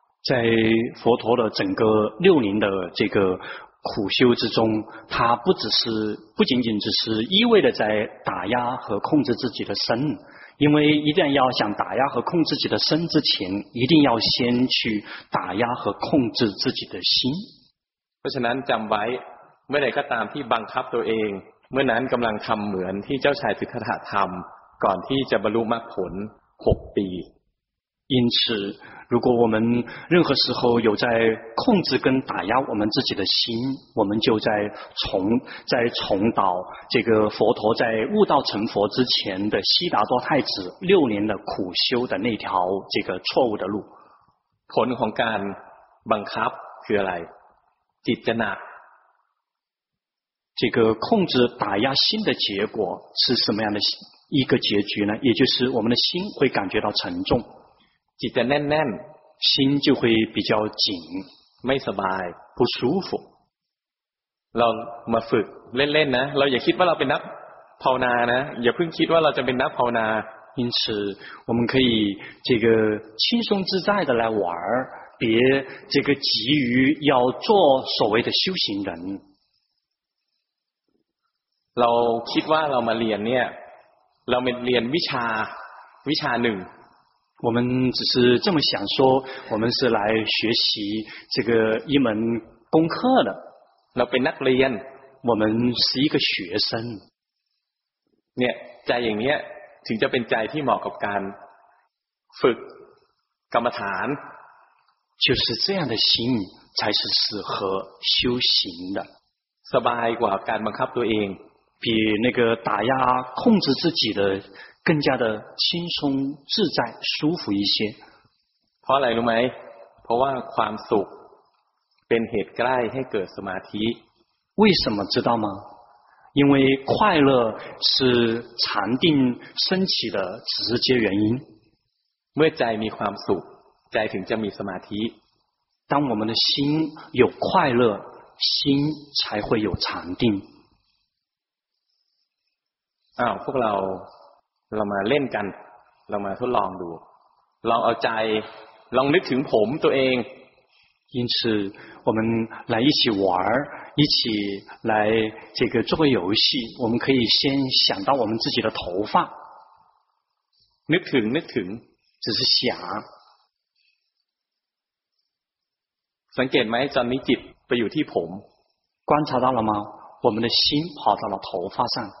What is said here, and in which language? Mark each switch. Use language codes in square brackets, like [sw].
[zh] 在佛陀的整个六年的这个苦修之中他不仅仅只是一味的在打压和控制自己的身因为一旦要想打压和控制自己的身之前一定要先去打压和控制自己的心 [th] เพราะฉะนั้นจำไว้เมื่อไหร่ก็ตามที่บังคับตัวเองเมื่อนั้นกำลังทำเหมือนที่เจ้าชายสิทธัตถะทำก่อนที่จะบรรลุมรรคผล6ปี [zh] 因此如果我们任何时候有在控制跟打压我们自己的心我们就在重蹈这个佛陀在悟道成佛之前的悉达多太子六年的苦修的那条这个错误的路 [th] ผลของการบังคับคืออะไรจิตจะหนัก [zh] 这个控制打压心的结果是什么样的一个结局呢也就是我们的心会感觉到沉重 [th] จิตจะแน่น [zh] ๆ心就会比较紧 [th] ไม่สบาย [zh] 不舒服 [th] เรามาฝึกเล่นๆนะเราอย่าคิดว่าเราเป็นนักภาวนานะอย่าเพิ่งคิดว่าเราจะเป็นนักภาวนา [zh] 因此我们可以这个轻松自在的来玩别这个急于要做所谓的修行人 [th] เราคิดว่าเรามาเรียนเนี่ยเรามาเรียนวิชาหนึ่ง [zh] 我们只是这么想说我们是来学习这个一门功课的 [th] เราเป็นนักเรียน [zh] 我们是一个学生 [th] เนี่ยใจอย่างเนี้ยถึงจะเป็นใจที่เหมาะกับการฝึกกรรมฐาน [zh] 就是这样的心才是适合修行的 [th] สบายกว่าการบังคับตัวเอง [zh] 比那个打压控制自己的更加的轻松自在舒服一些 [th] เพราะอะไรรู้ไหมเพราะว่าความสุขเป็นเหตุใกล้ให้เกิดสมาธิ [zh] 为什么知道吗因为快乐是禅定升起的直接原因 [th] เมื่อใจมีความสุขใจถึงจะมีสมาธิ [zh] 当我们的心有快乐心才会有禅定 [th] าวพวกเรามาเล่นกันเรามาทดลองดูลองเอาใจลองนึกถึงผมตัวเอง [zh] 因此我们来一起玩一起来这个做个游戏我们可以先想到我们自己的头发 [th] นึกถึง [zh] 只是想 [th] สังเกตไหมตอนนี้จิตไปอยู่ที่ผม [zh] 观察到了吗我们的心跑到了头发上